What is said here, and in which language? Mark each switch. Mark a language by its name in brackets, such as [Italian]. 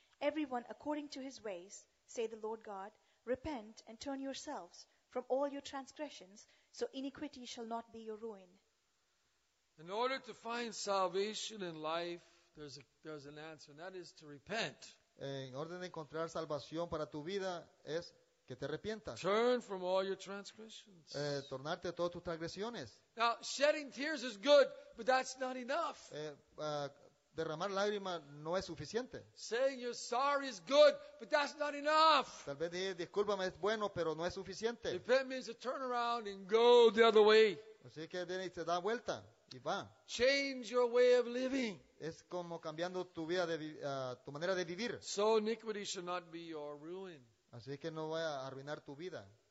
[English] Everyone according to his ways, say the Lord God, repent and turn yourselves from all your transgressions, so iniquity shall not be your ruin. In order to find salvation in life, there's an answer, and that is to repent. [Spanish] En orden de encontrar salvación para tu vida es que te arrepientas. [English] Turn from all your transgressions. [Spanish] Tornarte de todas tus transgresiones. [English] Now, shedding tears is good, but that's not enough. [Spanish] Derramar lágrimas no es suficiente. [English] Saying you're sorry is good, but that's not enough. [Spanish] Tal vez decir discúlpame es bueno, pero no es suficiente. [English] Repent means to turn around and go the other way. [Spanish] Así que tienes que dar vuelta y va. [English] Change your way of living. [Spanish] Es como cambiando tu vida, tu manera de vivir. [English] So iniquity should not be your ruin. [Spanish] Así que no vaya a arruinar tu vida.